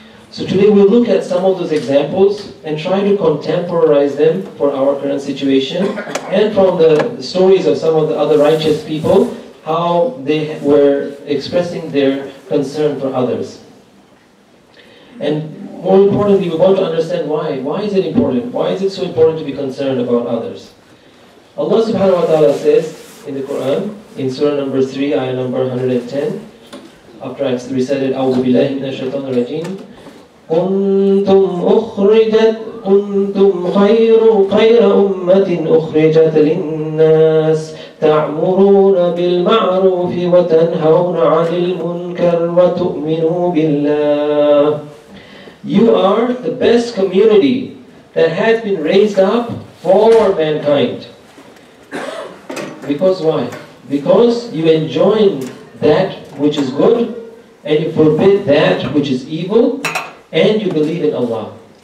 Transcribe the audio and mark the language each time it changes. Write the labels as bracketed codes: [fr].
[en] So today we'll look at some of those examples and try to contemporize them for our current situation and from the stories of some of the other righteous people, how they were expressing their concern for others. And more importantly, we want to understand why. Why is it important? Why is it so important to be concerned about others? Allah subhanahu wa ta'ala says in the Quran, in surah number 3, ayah number 110, after I've recited, [ar] أَعُوذُ بِاللَّهِ مِنَ الشَّيْطَانِ الرَّجِيمِ كُنْتُمْ أُخْرِجَتْ كُنْتُمْ خَيْرَ أُمَّةٍ أُخْرِجَتْ لِلنَّاسِ تعمرون بالمعروف وتنهون عن المنكر وتؤمنون بالله. [en] You are the best community that has been raised up for mankind. Because why? Because you enjoin that which is good and you forbid that which is evil and you believe in Allah.